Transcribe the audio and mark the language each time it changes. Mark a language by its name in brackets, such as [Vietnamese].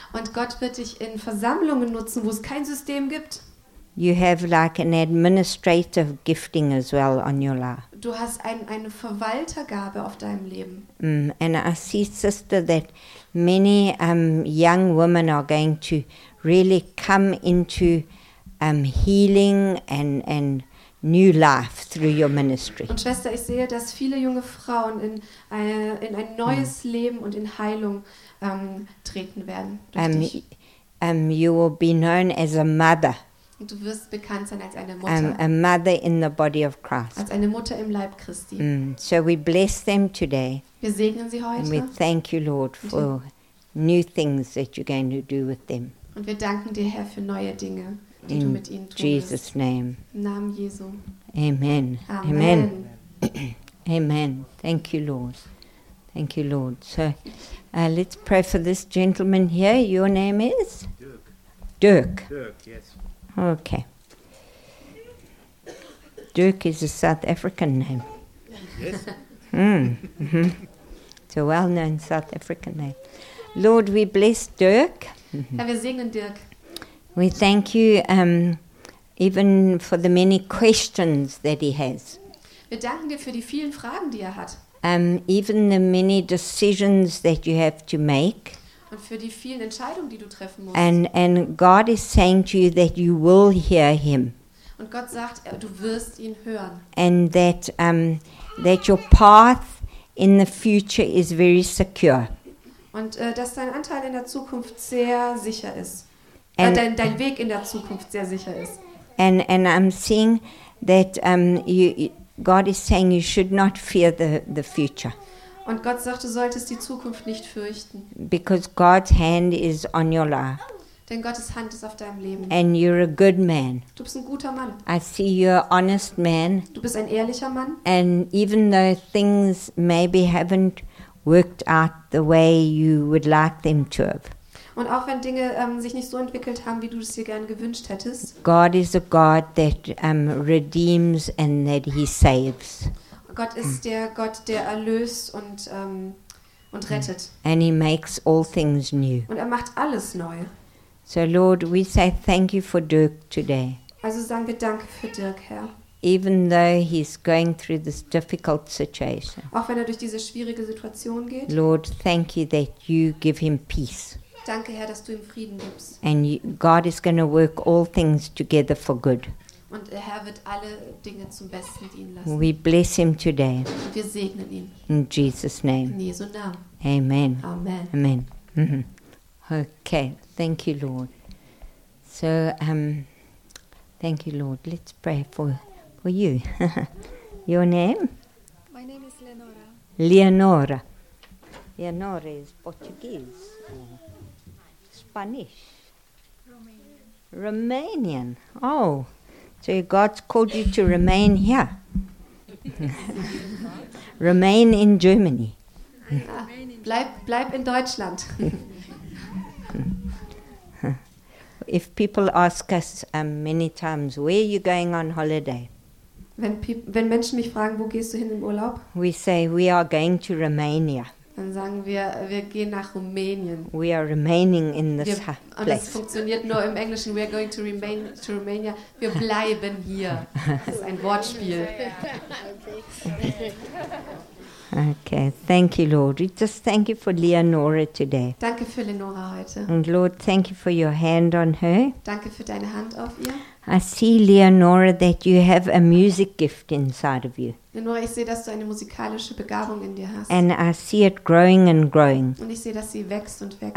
[German] Und Gott wird dich in Versammlungen nutzen, wo es kein System gibt. [English] You have like an administrative gifting as well on your life. [German] Du hast eine Verwaltergabe auf deinem Leben. [English] And I see, sister, that many young women are going to really come into healing and new life through your ministry. [German] Und Schwester, ich sehe, dass viele junge Frauen in ein neues Leben und in Heilung treten werden durch dich. [English] You will be known as a mother. [German] Und du wirst bekannt sein als eine Mutter. [English] A mother in the body of Christ. [German] Als eine Mutter im Leib Christi. [English] So we bless them today. [German] Wir segnen sie heute. [English] And we thank you, Lord, for new things that you're going to do with them. [German] Und wir danken dir, Herr, für neue Dinge, die in du mit ihnen tust. [English] Jesus' name. [German] Im Namen Jesu. [English] Amen. [German] Amen. [English] Amen. Amen. Thank you, Lord. Thank you, Lord. So let's pray for this gentleman here. Your name is? Dirk, yes. Okay. Dirk is a South African name. Yes. It's a well-known South African name. Lord, we bless Dirk. [German] Herr, wir segnen Dirk. [English] We thank you even for the many questions that he has. [German] Wir danken dir für die vielen Fragen, die er hat. [English] Even the many decisions that you have to make. [German] Und für die vielen Entscheidungen, die du treffen musst. [English] And God is saying to you that you will hear him. [German] Und Gott sagt, du wirst ihn hören. [English] And that that your path in the future is very secure. [German] Und dass dein Anteil in der Zukunft sehr sicher ist. And dein Weg in der Zukunft sehr sicher ist. [English] And I'm seeing that God is saying you should not fear the future. [German] Und Gott sagt, du solltest die Zukunft nicht fürchten. [English] Because God's hand is on your life. [German] Denn Gottes Hand ist auf deinem Leben. [English] And you're a good man. [German] Du bist ein guter Mann. [English] I see you're an honest man. [German] Du bist ein ehrlicher Mann. [English] And even though things maybe haven't worked out the way you would like them to have. [German] Und auch wenn Dinge sich nicht so entwickelt haben, wie du es dir gern gewünscht hättest. [English] God is a God that redeems and that he saves. [German] Gott ist der Gott, der erlöst und rettet. [English] And he makes all things new. [German] Und er macht alles neu. [English] So Lord, we say thank you for Dirk today. [German] Also sagen wir Danke für Dirk, Herr. [English] Even though he's going through this difficult situation. [German] Auch wenn er durch diese schwierige Situation geht. [English] Lord, thank you that you give him peace. [German] Danke, Herr, dass du ihm Frieden gibst. [English] And God is going to work all things together for good. [German] Und der Herr wird alle Dinge zum Besten dienen lassen. [English] We bless him today. [German] Und wir segnen ihn. [English] In Jesus' name. [German] In Jesu Namen. [English] Amen. Amen. Okay, thank you, Lord. So, thank you, Lord. Let's pray for you. Your name? My name is Leonora. Leonora. Leonora is Portuguese. Spanish. Romanian. Oh, so God's called you to remain here. Remain in Germany. [German] Bleib in Deutschland. [English] If people ask us many times, where are you going on holiday? [German] Wenn Menschen mich fragen, wo gehst du hin im Urlaub? [English] We say, we are going to Romania. [German] Dann sagen wir, wir gehen nach Rumänien. [English] We are remaining in this place. [German] Und das funktioniert nur im Englischen. [English] We are going to remain to Romania. [German] Wir bleiben hier. Das ist ein Wortspiel. [English] Okay, thank you, Lord. We just thank you for Leonora today. [German] Danke für Leonora heute. [English] And Lord, thank you for your hand on her. [German] Danke für deine Hand auf ihr. [English] I see, Leonora, that you have a music gift inside of you. [German] Leonora, ich sehe, dass du eine musikalische Begabung in dir hast. [English] And I see it growing and growing. [German] Und ich sehe, dass sie wächst und wächst.